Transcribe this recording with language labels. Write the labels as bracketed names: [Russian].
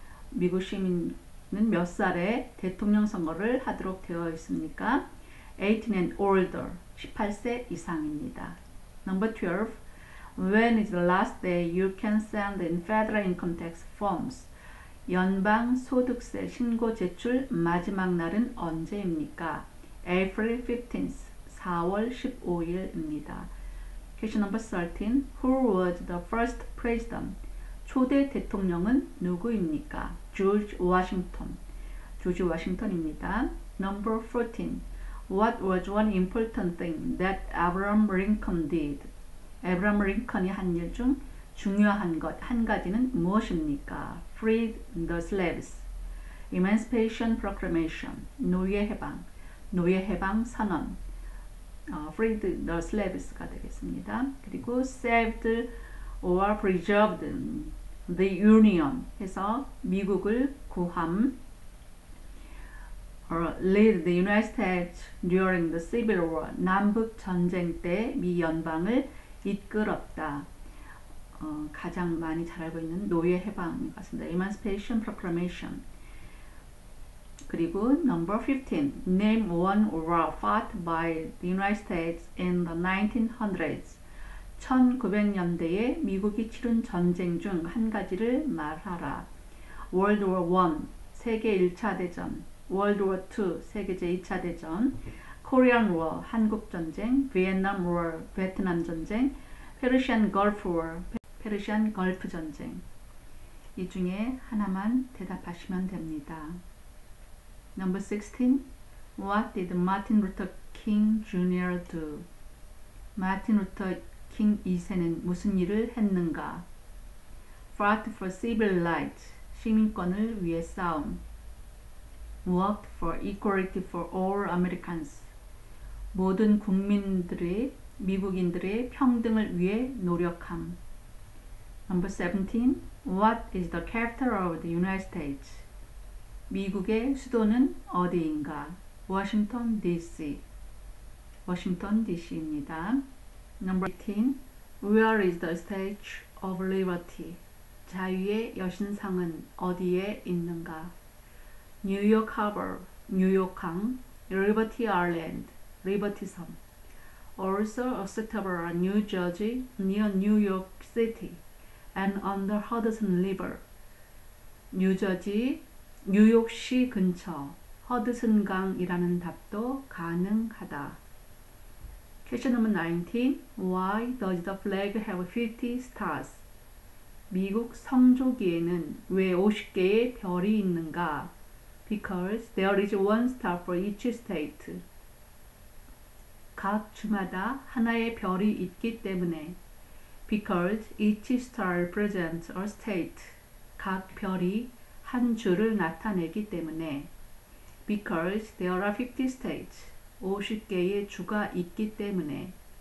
[Korean] 미국 시민은 몇 살에 대통령 선거를 하도록 되어 있습니까? [English] 18 and older, [Korean] 18세 이상입니다. [English] Number 12. When is the last day you can send in federal income tax forms? [Korean] 연방소득세 신고 제출 마지막 날은 언제입니까? [English] April 15th, [Korean] 4월 15일입니다. [English] Question number 13. Who was the first president? [Korean] 초대 대통령은 누구입니까? George Washington입니다. [English] Number 14. What was one important thing that Abraham Lincoln did? [Korean] Abraham Lincoln이 한 일 중 중요한 것 한 가지는 무엇입니까? [English] Freed the slaves. Emancipation Proclamation. [Korean] 노예 해방 선언. [English] Freed the slaves [Korean] 가 되겠습니다. 그리고 [English] saved or preserved the Union [Korean] 해서 미국을 구함, [English] lead the United States during the Civil War, [Korean] 남북 전쟁 때 미 연방을 이끌었다. 가장 많이 잘 알고 있는 노예 해방 같습니다. [English] Emancipation Proclamation. [Korean] 그리고 [English] number 15, name one war fought by the United States in the 1900s. [Korean] 1900년대에 미국이 치른 전쟁 중 한 가지를 말하라. [English] World War I, [Korean] 세계 1차 대전. [English] World War II, [Korean] 세계 제2차 대전. [English] Korean War, [Korean] 한국 전쟁. [English] Vietnam War, [Korean] 베트남 전쟁. [English] Persian Gulf War, [Korean] 페르시안 걸프 전쟁. 이 중에 하나만 대답하시면 됩니다. [English] Number 16. What did Martin Luther King Jr. do? [Korean] 마틴 루터 킹 2세는 무슨 일을 했는가? [English] Fought for civil rights, [Korean] 시민권을 위해 싸움. [English] Worked for equality for all Americans, [Korean] 모든 국민들의, 미국인들의 평등을 위해 노력함. [English] Number 17. What is the capital of the United States? [Korean] 미국의 수도는 어디인가? [English] Washington, D.C. Washington, D.C.입니다. Number 18. Where is the Statue of Liberty? [Korean] 자유의 여신상은 어디에 있는가? [English] New York Harbor, [Korean] 뉴욕항, [English] Liberty Island, Liberty 섬. Also a suburb of New Jersey near New York City and on the Hudson River. [Korean] 뉴저지, 뉴욕시 근처, 허드슨강이라는 답도 가능하다. [English] Question number 19. Why does the flag have 50 stars? [Korean] 미국 성조기에는 왜 50개의 별이 있는가? [English] Because there is one star for each state. [Korean] 각 주마다 하나의 별이 있기 때문에. [English] Because each star represents a state. [Korean] 각 별이 한 주를 나타내기 때문에. [English] Because there are 50 states. [Korean] 50개의 주가 있기 때문에.